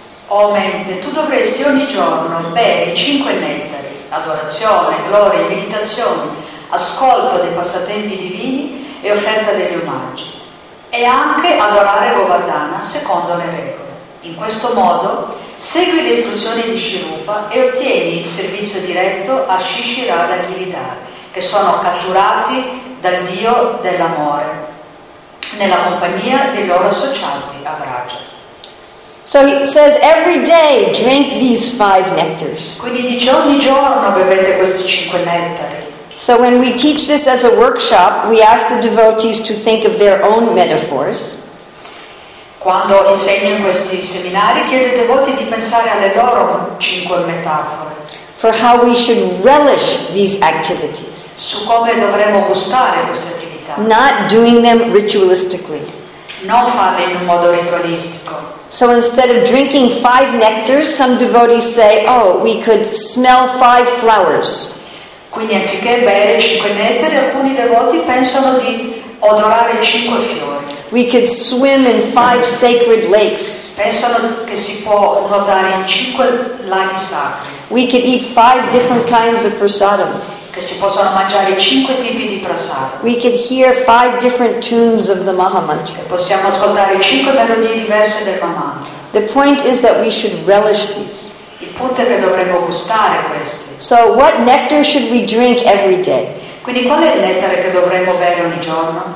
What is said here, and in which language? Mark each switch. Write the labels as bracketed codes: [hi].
[it] O mente, tu dovresti ogni giorno bere i cinque nettari, adorazione, gloria, meditazione, ascolto dei passatempi divini e offerta degli omaggi, e anche adorare Govardhana secondo le regole. In questo modo segui le istruzioni di Shirupa e ottieni il servizio diretto a Shishirada Giridhar, che sono catturati dal Dio dell'amore, nella compagnia dei loro associati a Braja. [en] So he says, every day drink these five nectars. [it] Quindi dice, ogni giorno bevete questi cinque nettari. [en] So when we teach this as a workshop, we ask the devotees to think of their own metaphors. [it] Quando insegno in questi seminari, chiedo ai devoti di pensare alle loro cinque metafore. [en] For how we should relish these activities. [it] Su come dovremmo gustare queste attività. [en] Not doing them ritualistically. [it] Non farle in un modo ritualistico. [en] So instead of drinking five nectars, some devotees say, oh, we could smell five flowers. [it] Quindi anziché bere cinque nettari, alcuni devoti pensano di odorare cinque fiori. [en] We could swim in five sacred lakes. [it] Pensano che si può nuotare in cinque laghi sacri. [en] We could eat five different kinds of prasadam. [it] Che si possono mangiare cinque tipi di prasadam. [en] We could hear five different tunes of the Mahamantra. [it] Che possiamo ascoltare cinque melodie diverse del Mahamantra. [en] The point is that we should relish these. [it] Il punto è che dovremmo gustare questi. [en] So what nectar should we drink every day? [it] Quindi qual è il nettare che dovremmo bere ogni giorno?